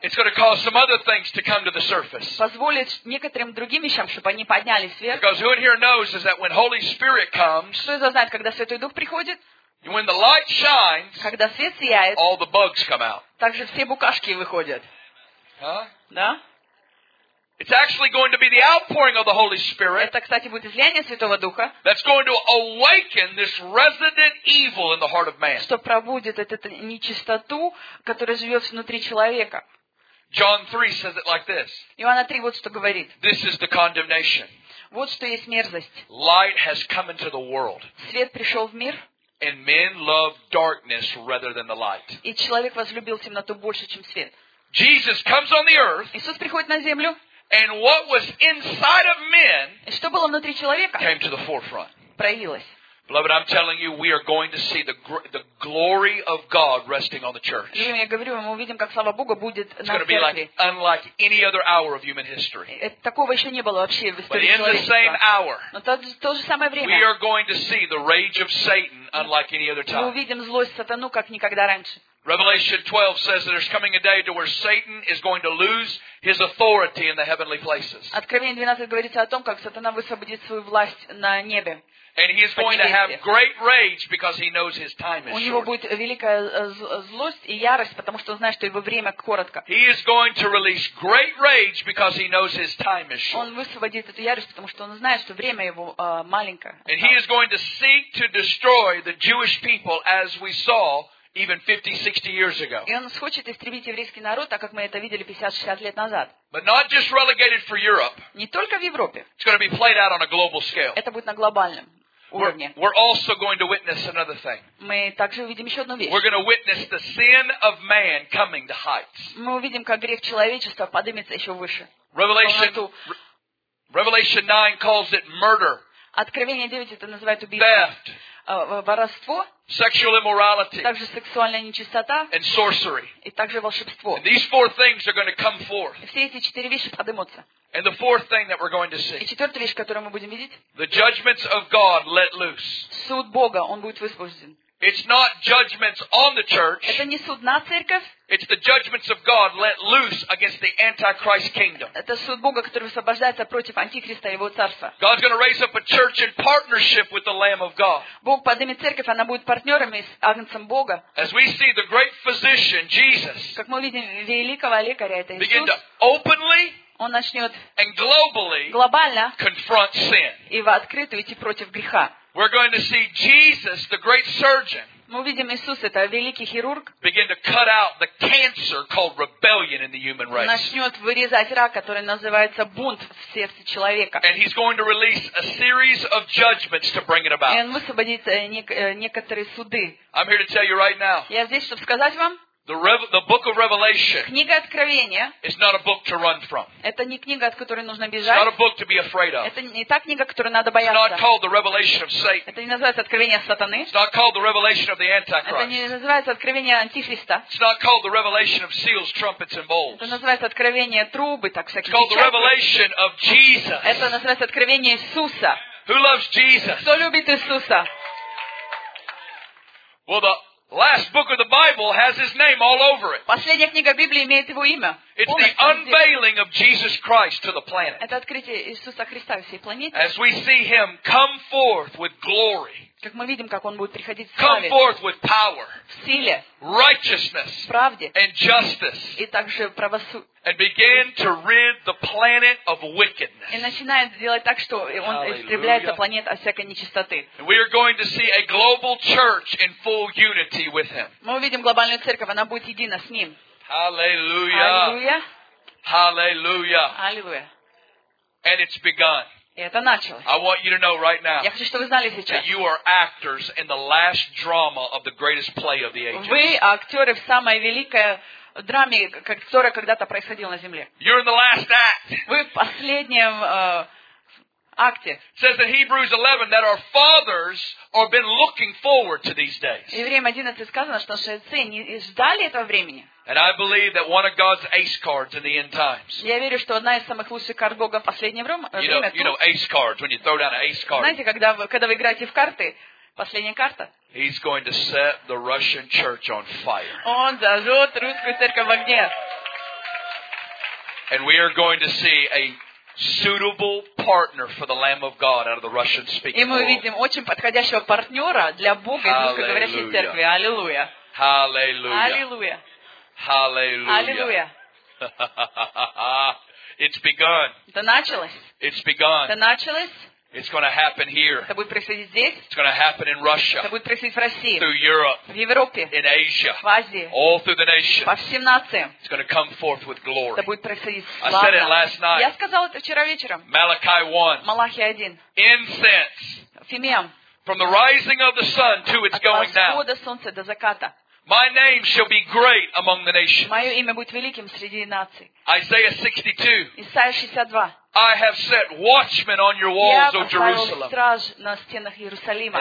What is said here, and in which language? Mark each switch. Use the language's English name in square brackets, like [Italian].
[English] It's going to cause some other things to come to the surface. [Russian] Позволит некоторым другим вещам, чтобы они поднялись вверх. [English] Because who in here knows is that when Holy Spirit comes? [Russian] Кто из вас знает, когда Святой Дух приходит? [English] When the light shines, [Russian] когда свет сияет, [English] all the bugs come out. [Russian] Также все букашки выходят. [English] Huh? [Russian] Да? [English] It's actually going to be the outpouring of the Holy Spirit. [Russian] Это, кстати, будет излияние Святого Духа. [English] That's going to awaken this resident evil in the heart of man. [Russian] Что пробудит эту нечистоту, которая живет внутри человека. [English] John 3 says it like this. [Russian] Иоанна 3 вот что говорит. [English] This is the condemnation. [Russian] Вот что есть мерзость. [English] Light has come into the world. [Russian] Свет пришел в мир. [English] And men love darkness rather than the light. [Russian] И человек возлюбил темноту больше, чем свет. [English] Jesus comes on the earth. [Russian] Иисус приходит на землю. [English] And what was inside of men? [Russian] И что было внутри человека? [English] Came to the forefront. [Russian] Проявилось. [English] Beloved, I'm telling you, we are going to see the glory of God resting on the church. [Russian] Я говорю вам, мы увидим, как слава Богу будет на церкви. [English] It's going to be like unlike any other hour of human history. [Russian] Такого еще не было вообще в истории человечества. [English] But in the same hour, we are going to see the rage of Satan unlike any other time. [Russian] Мы увидим злость сатану как никогда раньше. [English] Revelation 12 says that there's coming a day to where Satan is going to lose his authority in the heavenly places. [Russian] Откровение 12 говорится о том, как сатана высвободит свою власть на небе. [English] And he is going to have great rage because he knows his time is short. [Russian] У него будет великая злость и ярость, потому что он знает, что его время коротко. [English] He is going to release great rage because he knows his time is short. [Russian] Он высвободит эту ярость, потому что он знает, что время его маленькое. [English] And he is going to seek to destroy the Jewish people as we saw even 50-60 years ago. [Russian] И он хочет истребить еврейский народ, так как мы это видели 50-60 лет назад. [English] But not just relegated for Europe. [Russian] Не только в Европе. [English] It's going to be played out on a global scale. [Russian] Это будет на глобальном. [English] We're also going to witness another thing. [Russian] Мы также увидим еще одну вещь. [English] We're going to witness the sin of man coming to heights. [Russian] Мы увидим, как грех человечества поднимется еще выше. [English] Revelation 9 calls it murder. [Russian] Откровение 9 это называют убийство, воровство, [English] sexual immorality, [Russian] также сексуальная нечистота, [English] and sorcery. [Russian] И также волшебство. [English] And these four things are going to come forth. [Russian] Все эти четыре вещи поднимутся. [English] And the fourth thing that we're going to see. [Russian] И четвертая вещь, которую мы будем видеть. [English] The judgments of God let loose. [Russian] Суд Бога, он будет высвобожден. [English] It's not judgments on the church. [Russian] Это не суд на церковь. [English] It's the judgments of God let loose against the Antichrist kingdom. [Russian] Это суд Бога, который высвобождается против Антихриста и его царства. [English] God's going to raise up a church in partnership with the Lamb of God. [Russian] Бог поднимет церковь, она будет партнерами с Агнцем Бога. [English] As we see the great physician Jesus. [Russian] Как мы видим великого лекаря, это Иисус. [English] Begin to openly. [Russian] Он начнет [English] and globally, [Russian] глобально [English] confront sin. [Russian] И в открытую идти против греха. [English] We're going to see Jesus, the great surgeon, [Russian] мы увидим Иисус, это великий хирург, [English] begin to cut out the cancer called rebellion in the human race. [Russian] Начнет вырезать рак, который называется бунт в сердце человека. [English] And he's going to release a series of judgments to bring it about. [Russian] И он высвободит некоторые суды. [English] I'm here to tell you right now. [Russian] Я здесь, чтобы сказать вам. [English] The book of Revelation. [Russian] Книга Откровения. [English] It's not a book to run from. [Russian] Это не книга, от которой нужно бежать. [English] It's not a book to be afraid of. [Russian] Это не та книга, которую надо бояться. [English] It's not called the Revelation of Satan. [Russian] Это не называется Откровение Сатаны. [English] It's not called the Revelation of the Antichrist. [Russian] Это не называется Откровение Антихриста. [English] It's not called the Revelation of seals, trumpets, and bowls. [Russian] Это называется Откровение трубы, так сказать. [English] It's called the Revelation of Jesus. [Russian] Это называется Откровение Иисуса. [English] Who loves Jesus? [Russian] Кто любит Иисуса? [English] Well, the last book of the Bible has his name all over it. [Russian] Последняя книга Библии имеет его имя. [English] It's the unveiling of Jesus Christ to the planet. [Russian] Это открытие Иисуса Христа всей планете. [English] As we see him come forth with glory. [Russian] Как мы видим, как он будет приходить в славе. [English] Come forth with power. [Russian] В силе. [English] Righteousness. [Russian] В правде. [English] And justice. [Russian] И также правосудие. [English] And began to rid the planet of wickedness. [Russian] И начинает делать так, что он истребляется планет от всякой нечистоты. [English] We are going to see a global church in full unity with him. [Russian] Мы увидим глобальную церковь, она будет едина с ним. [English] Hallelujah. Hallelujah. Hallelujah. And it's begun. [Russian] И это началось. [English] I want you to know right now. [Russian] Я хочу, чтобы вы знали сейчас. [English] You are actors in the last drama of the greatest play of the ages. [Russian] Вы актёры в самой великой драме, которая когда-то происходила на земле. [English] You're in the last act. [Russian] Вы в последнем акте. [English] It says in Hebrews 11 that our fathers have been looking forward to these days. [Russian] В Евреям 11 сказано, что наши отцы не ждали этого времени. [English] And I believe that one of God's ace cards in the end times. [Russian] Я верю, что одна из самых лучших карт Бога в последнее время. [English] You know ace cards when you throw down an ace card. [Russian] Знаете, когда вы играете в карты, последняя карта. [English] He's going to set the Russian church on fire. [Russian] Он зажжет русскую церковь в огне. [English] And we are going to see a suitable partner for the Lamb of God out of the Russian speaking world. [Russian] И мы увидим очень подходящего партнера для Бога из русскоговорящей церкви. Аллилуйя. [English] Hallelujah. Hallelujah. Hallelujah. It's begun. [Russian] Это началось. [English] It's begun. [Russian] Это началось. [English] It's going to happen here. [Russian] Это будет происходить здесь. [English] It's going to happen in Russia. [Russian] Это будет происходить в России. [English] Through Europe. [Russian] В Европе. [English] In Asia. [Russian] В Азии. [English] All through the nations. [Russian] По всем нациям. [English] It's going to come forth with glory. [Russian] Это будет происходить славно. [English] I said it last night. [Russian] Я сказал это вчера вечером. [English] Malachi 1. [Russian] Малахия 1. [English] Incense. [Russian] Фимиам. [English] From the rising of the sun to its going down. [Russian] От восхода солнца до заката. [English] My name shall be great among the nations. [Russian] Моё имя будет великим среди наций. [English] Isaiah 62. [Russian] Исайя 62. [English] I have set watchmen on your walls, O Jerusalem. [Russian] Я поставил страж на стенах Иерусалима.